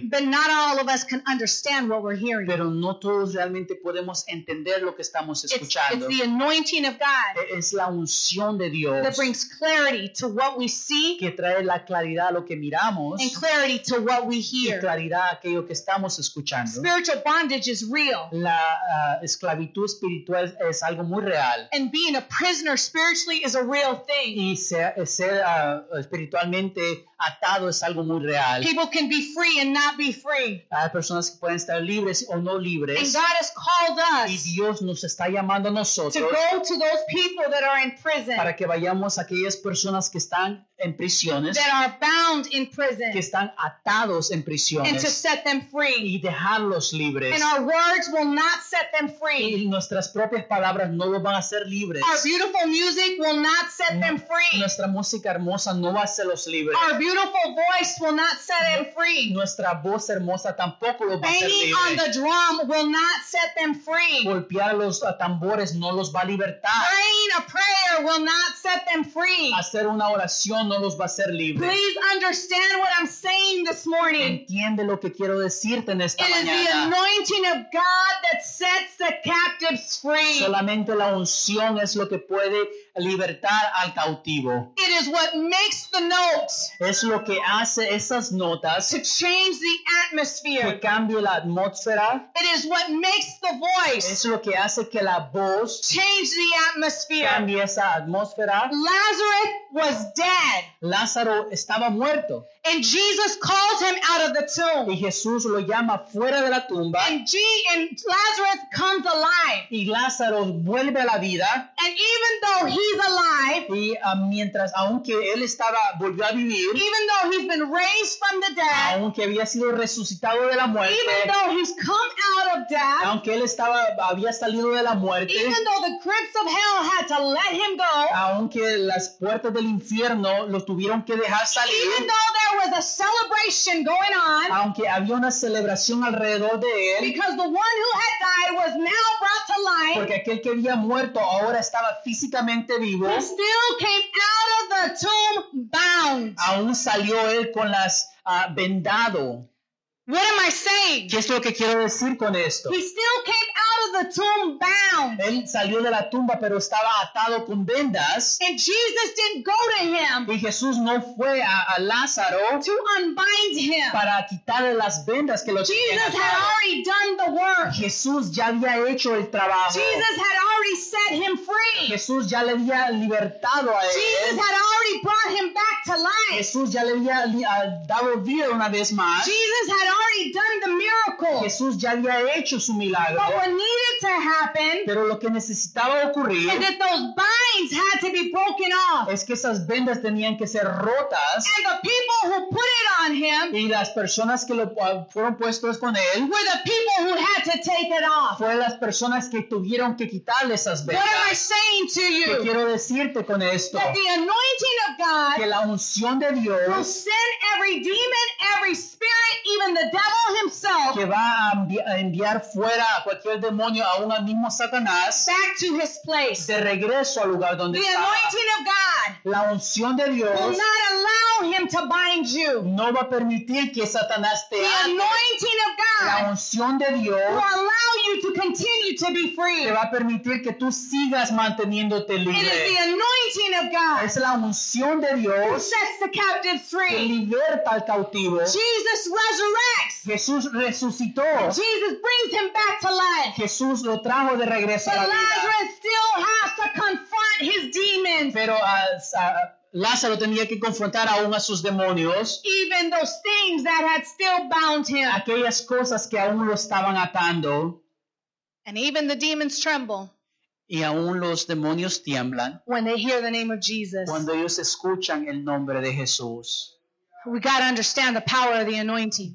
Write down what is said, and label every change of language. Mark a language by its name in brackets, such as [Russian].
[English] But not all of us can understand what we're hearing. [Spanish] Pero no todos realmente podemos entender lo que estamos escuchando. [English] It's the anointing of God. [Spanish] Es la unción de Dios. [English] That brings clarity to what we see. [Spanish] Que trae la claridad a lo que miramos. [English] And clarity to what we hear. [Spanish] Y claridad a aquello que estamos escuchando. [English] Spiritual bondage is real. [Spanish] La esclavitud espiritual es algo muy real. [English] And being a prisoner spiritually is a real thing. [Spanish] Y ser espiritualmente atado es algo muy real. [English] People can be free and not be free. [Spanish] Hay personas que pueden estar libres o no libres. [English] And God has called us. [Spanish] Y Dios nos está llamando a nosotros. [English] To go to those people that are in prison. [Spanish] Para que vayamos a aquellas personas que están en prisiones. [English] That are bound in prison. [Spanish] Que están atados en prisiones. [English] And to set them free. [Spanish] Y dejarlos libres. [English] And our words will not set them free. [Spanish] Y nuestras propias palabras no los van a hacer libres. [English] Our beautiful music will not set them free. [Spanish] Nuestra música hermosa no va a hacerlos libres. [English] Our beautiful voice will not set them free. [Spanish] Nuestra voz hermosa tampoco lo va a hacer libre. [English] Banging on the drum will not set them free. [Spanish] Golpear los tambores no los va a libertar. [English] Praying a prayer will not set them free. [Spanish] Hacer una oración no los va a hacer libres. [English] Please understand what I'm saying this morning. [Spanish] Entiende lo que quiero decirte en esta mañana. [English] It is the anointing of God that sets the captives free. [Spanish] Solamente la unción es lo que puede libertar al cautivo. [English] It is what makes the notes. [Spanish] Es lo que hace esas notas. [English] To change the atmosphere. [Spanish] Que cambie la atmósfera. [English] It is what makes the voice. [Spanish] Es lo que hace que la voz. [English] Change the atmosphere. [Spanish] Cambie esa atmósfera. [English] Lazarus was dead. [Spanish] Lázaro estaba muerto. [English] And Jesus called him out of the tomb. [Spanish] Y Jesús lo llama fuera de la tumba. [English] And Lazarus comes alive. [Spanish] Y Lázaro vuelve a la vida. [English] And even though he's alive. [Spanish] Y mientras aunque él estaba volvió a vivir. [English] Even though he's been raised from the dead. [Spanish] Aunque había sido resucitado de la muerte. [English] Even though he's come out of death. [Spanish] Aunque él estaba había salido de la muerte. [English] Even though the grips of hell had to let him go. [Spanish] Aunque las puertas del infierno lo tuvieron que dejar salir. [English] Even though there was a celebration going on. [Spanish] Aunque había una celebración alrededor de él. [English] Because the one who had died was now brought to life. [Spanish] Porque aquel que había muerto ahora estaba físicamente vivo. [English] He still came out of the tomb bound. [Spanish] Aún salió él con las vendado. [English] What am I saying? [Spanish] ¿Qué es lo que quiero decir con esto? [English] He still came out of the tomb bound. [Spanish] Él salió de la tumba, pero estaba atado con vendas. [English] And Jesus didn't go to him. [Spanish] Y Jesús no fue a Lázaro. [English] To unbind him. [Spanish] Para quitarle las vendas que lo tenían atado. [English] Jesus had already done the work. [Spanish] Jesús ya había hecho el trabajo. [English] Jesus had already set him free. [Spanish] Jesús ya le había libertado a él. [English] Jesus had already brought him back to life. [Spanish] Jesús ya le había dado vida una vez más. [English] Jesus had already done the miracle. [Spanish] Jesús ya había hecho su milagro. [English] But what needed to happen? [Spanish] Pero lo que necesitaba ocurrir. [English] Is that those binds had to be broken off. [Spanish] Es que esas vendas tenían que ser rotas. [English] And the people who put it on him. [Spanish] Y las personas que lo fueron puestos con él. [English] Were the people who had to take it off. [Spanish] Fue las personas que tuvieron que quitarle esas vendas. [English] What am I saying to you? [Spanish] Que quiero decirte con esto. [English] That the anointing of God. [Spanish] Que la unción de Dios. [English] Will send every demon, every spirit, even the devil himself, [Spanish] que va a enviar fuera a cualquier demonio, a uno mismo Satanás, [English] back to his place, [Spanish] de regreso al lugar donde [English] the [Spanish] estaba. [English] The anointing of God, [Spanish] la unción de Dios, [English] will not allow him to bind you. [Spanish] No va a permitir que Satanás te ate. [English] The anointing of God, [Spanish] la unción de Dios, [English] will allow you to continue to be free. [Spanish] Te va a permitir que tú sigas manteniéndote libre. [English] It is the anointing of God, [Spanish] es la unción de Dios, [English] who sets the captive free, [Spanish] que liberta al cautivo. [English] Jesus resurrects. [Spanish] Jesús resucitó. [English] Jesus brings him back to life. [Spanish] Jesús lo trajo de regreso [English] but [Spanish] a la vida. [English] Lazarus still has to confront his demons. [Spanish] Pero Lázaro tenía que confrontar aún a sus demonios. [English] Even those things that had still bound him. [Spanish] Aquellas cosas que aún lo estaban atando. [English] And even the demons tremble. [Spanish] Y aún los demonios tiemblan. [English] When they hear the name of Jesus. [Spanish] Cuando ellos escuchan el nombre de Jesús. [English] We got to understand the power of the anointing.